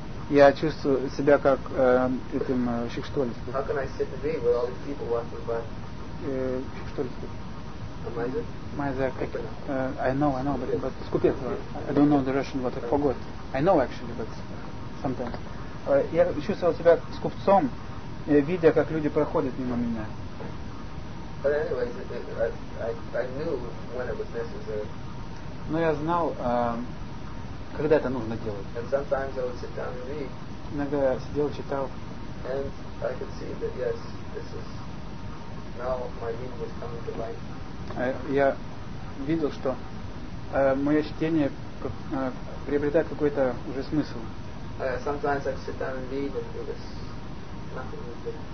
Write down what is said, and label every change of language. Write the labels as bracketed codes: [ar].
[ru] Я чувствую себя как этим Шикштольским. [en] How can I sit and be with all these people walking by? Шикштольским. Майзер. I know, but скупец. I don't know the Russian, but I forgot. I know actually, but sometimes. [ru] Я чувствовал себя скупцом, видя, как люди проходят мимо меня. [en] But anyways, I knew when it was necessary. [ru] Но я знал, когда это нужно делать. [en] And sometimes I would sit down and read. [ru] Иногда я сидел, читал. [en] And I could see that yes, this is now my reading was coming to life. [ru] Я видел, что мое чтение приобретает какой-то уже смысл. [en] Sometimes I'd sit down and read and it was nothing new.